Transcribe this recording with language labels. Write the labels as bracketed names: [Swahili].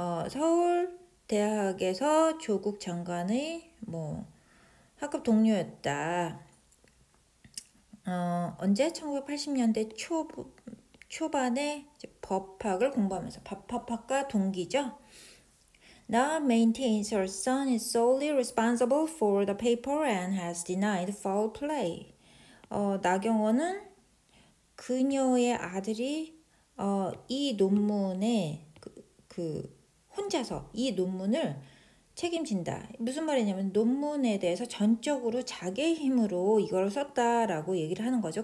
[Korean] 서울 대학에서 조국 장관의 뭐 학급 동료였다. 언제? 1980년대 초반에 법학을 공부하면서 법학과 동기죠. [English] Now maintains her son is solely responsible for the paper and has denied foul play. [Korean] 나경원은 그녀의 아들이 이 논문에 혼자서 이 논문을 책임진다. 무슨 말이냐면 논문에 대해서 전적으로 자기 힘으로 이걸 썼다라고 얘기를 하는 거죠.